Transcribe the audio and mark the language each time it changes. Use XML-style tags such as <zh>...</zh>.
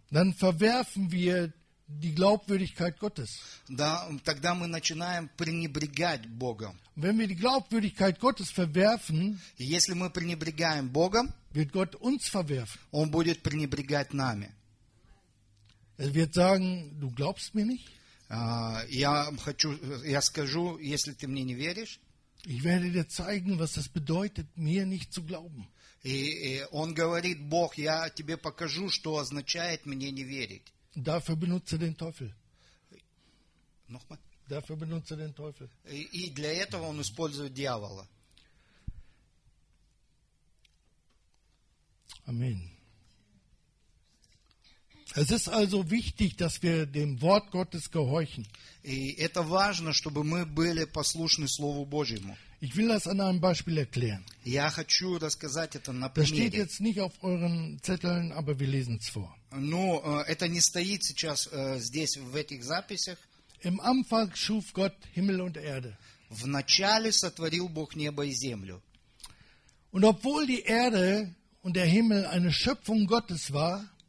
<de>dann verwerfen wir die Glaubwürdigkeit Gottes.</de> <ru>Да, тогда мы начинаем пренебрегать Богом.</ru> <de>Wenn wir die Glaubwürdigkeit Gottes verwerfen,</de> <ru>если мы пренебрегаем Богом,</ru> <de>wird Gott uns verwerfen.</de> <ru>Он будет пренебрегать нами.</ru> <de>Er wird sagen, du glaubst mir nicht?</de> <ru>Я скажу, если ты мне не веришь.</ru> <de>Ich werde dir zeigen, was das bedeutet, mir nicht zu glauben.</de> <ru>И он говорит, Бог, я тебе покажу, что означает мне не верить.</ru> <de>Dafür benutze den Teufel. Nochmal. Dafür benutze den Teufel.</de> <ru>И для этого он использует дьявола.</ru> <de>Amen. Es ist also wichtig, dass wir dem Wort Gottes gehorchen.</de> <ru>И это важно, чтобы мы были послушны Слову Божьему.</ru> <de>Ich will das an einem Beispiel erklären.</de> <ru>Я хочу рассказать это на примере.</ru> <de>Das steht jetzt nicht auf euren Zetteln, aber wir lesen es vor.</de> <ru>Но это не стоит сейчас здесь в этих записях.</ru> <de>Im Anfang schuf Gott Himmel und Erde.</de> <ru>Вначале сотворил Бог небо и землю.</ru> <de>Und obwohl die Erde und der Himmel eine Schöpfung Gottes war,</de>